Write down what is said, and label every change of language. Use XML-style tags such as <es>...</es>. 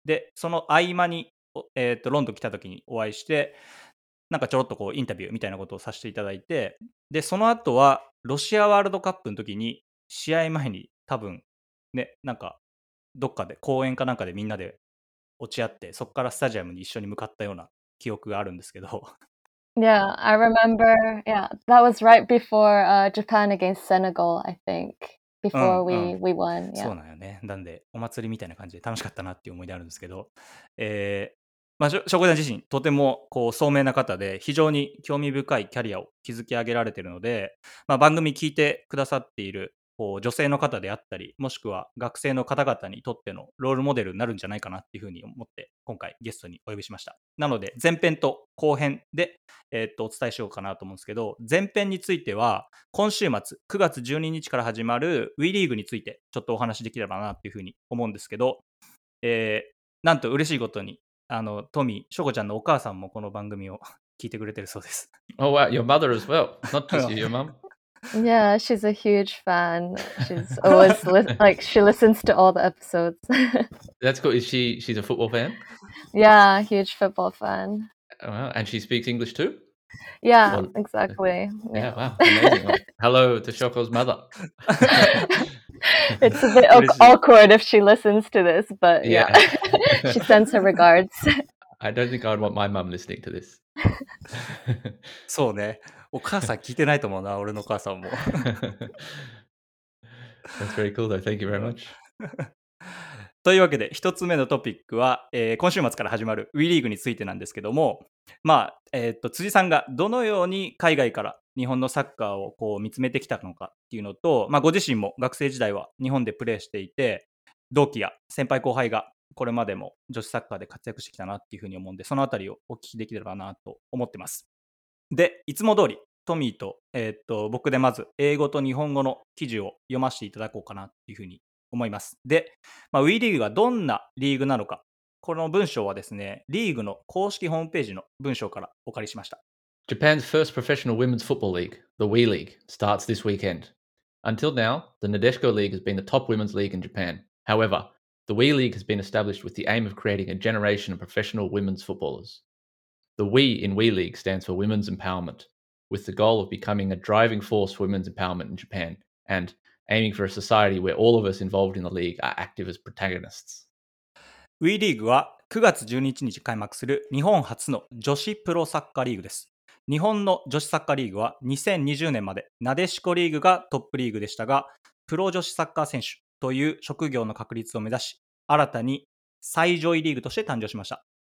<ja>でその合間に、ロンドン来た時にお会いして、なんかちょろっとこうインタビューみたいなことをさせていただいて、でその後はロシアワールドカップの時に試合前に多分ね、なんかどっかで公園かなんかでみんなで落ち合って、そこからスタジアムに一緒に向かったような記憶があるんですけど。</ja> <en>Yeah, I remember. Yeah, that was right before Japan against Senegal, I think. Before we won. Yeah.</en> <ja>そうなんよね。なんでお祭りみたいな感じで楽しかったなっていう思い出あるんですけど、まあ、翔子ちゃん自身とてもこう聡明な方で非常に興味深いキャリアを築き上げられているので、まあ、番組聞いてくださっているこう女性の方であったり、もしくは学生の方々にとってのロールモデルになるんじゃないかなっていうふうに思って今回ゲストにお呼びしました。なので前編と後編で、お伝えしようかなと思うんですけど、前編については今週末9月12日から始まるWEリーグについてちょっとお話しできればなっていうふうに思うんですけど、なんと嬉しいことにトミー、ショコちゃんのお母さんもこの番組を聞いてくれてるそうです。</ja> <en>Oh wow, your mother as well. Not just you, your mom. Yeah, she's a huge fan. She's always like she listens to all the episodes. That's cool. She's a football fan? Yeah, huge football fan. Oh, wow. And she speaks English too? Yeah, exactly. Yeah, yeah, wow. Amazing. Hello to Shoko's mother. It's a bit awkward if she listens to this, but yeah. She sends her regards. I don't think I would want my mom listening to this. So, ne.</en> <ja>お母さん聞いてないと思うな、俺のお母さんも。</ja> <en>That's very cool though. Thank you very much.</en> <ja>というわけで、一つ目のトピックは、今週末から始まる WE リーグについてなんですけども、まあ、辻さんがどのように海外から日本のサッカーをこう見つめてきたのかっていうのと、まあ、ご自身も学生時代は日本でプレーしていて、同期や先輩後輩がこれまでも女子サッカーで活躍してきたなっていうふうに思うんで、そのあたりをお聞きできればなと思ってます。で、いつも通りトミーと僕でまず英語と日本語の記事を読ませていただこうかなっていうふうに思います。で、まあ、WE リーグがどんなリーグなのか、この文章はですね、リーグの公式ホームページの文章からお借りしました。</ja> <en>Japan's first professional women's football league, the WE League, starts this weekend. Until now, the Nadeshiko League has been the top women's league in Japan. However, the WE League has been established with the aim of creating a generation of professional women's footballers. The WE in WE League stands for Women's Empowerment, with the goal of becoming a driving force for women's empowerment in Japan and aiming for a society where all of us involved in the league are active as protagonists.</en> <ja>WE リーグは9月12日に開幕する日本初の女子プロサッカーリーグです。日本の女子サッカーリーグは2020年までなでしこリーグがトップリーグでしたが、プロ女子サッカー選手という職業の確立を目指し、新たに最上位リーグとして誕生しました。</ja>